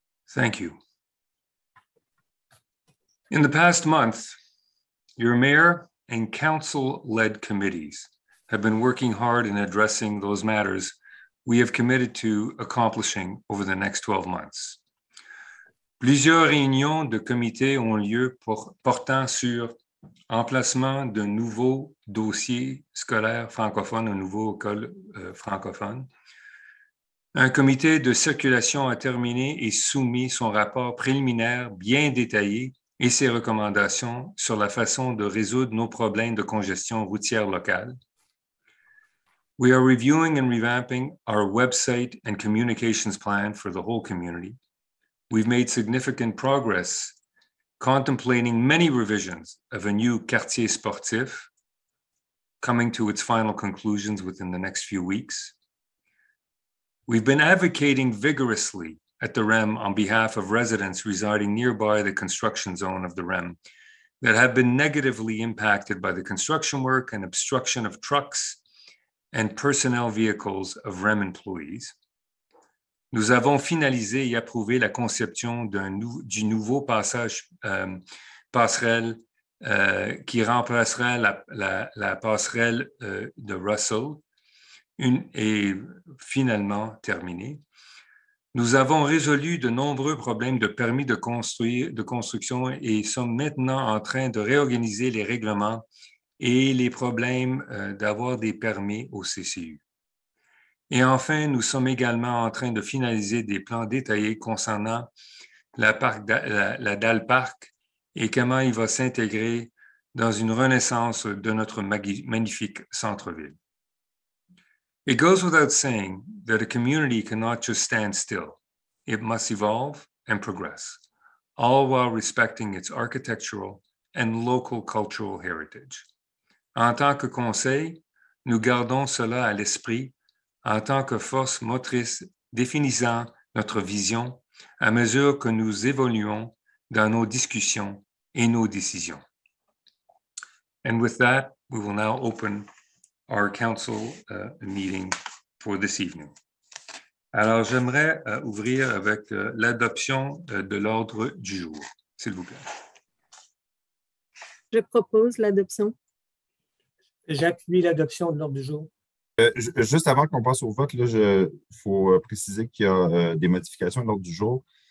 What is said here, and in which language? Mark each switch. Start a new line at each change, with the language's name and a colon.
English: Thank you. In the past month, your mayor and council-led committees have been working hard in addressing those matters we have committed to accomplishing over the next 12 months.
French: Plusieurs réunions de comités ont lieu portant sur emplacement de nouveaux dossiers scolaires francophones aux nouveaux écoles francophones. Un comité de circulation a terminé et soumis son rapport préliminaire bien détaillé et ses recommandations sur la façon de résoudre nos problèmes de congestion routière locale.
English: We are reviewing and revamping our website and communications plan for the whole community. We've made significant progress contemplating many revisions of a new quartier sportif, coming to its final conclusions within the next few weeks. We've been advocating vigorously at the REM on behalf of residents residing nearby the construction zone of the REM that have been negatively impacted by the construction work and obstruction of trucks and personnel vehicles of REM employees.
French: Nous avons finalisé et approuvé la conception du nouveau passage passerelle qui remplacera la passerelle de Russell. Finalement terminée. Nous avons résolu de nombreux problèmes de permis de construction et sommes maintenant en train de réorganiser les règlements et les problèmes d'avoir des permis au CCU. Et enfin, nous sommes également en train de finaliser des plans détaillés concernant la Dalle Park et comment il va s'intégrer dans une renaissance de notre magnifique centre-ville.
English: It goes without saying that a community cannot just stand still. It must evolve and progress, all while respecting its architectural and local cultural heritage.
French: En tant que conseil, nous gardons cela à l'esprit en tant que force motrice définissant notre vision à mesure que nous évoluons dans nos discussions et nos décisions.
English: And with that, we will now open our council meeting for this evening.
French: Alors, j'aimerais ouvrir avec l'adoption de l'ordre du jour, s'il vous plaît. Je propose l'adoption. J'appuie l'adoption de l'ordre du jour. Juste avant qu'on passe au vote, là, faut préciser qu'il y a des modifications à l'ordre du jour.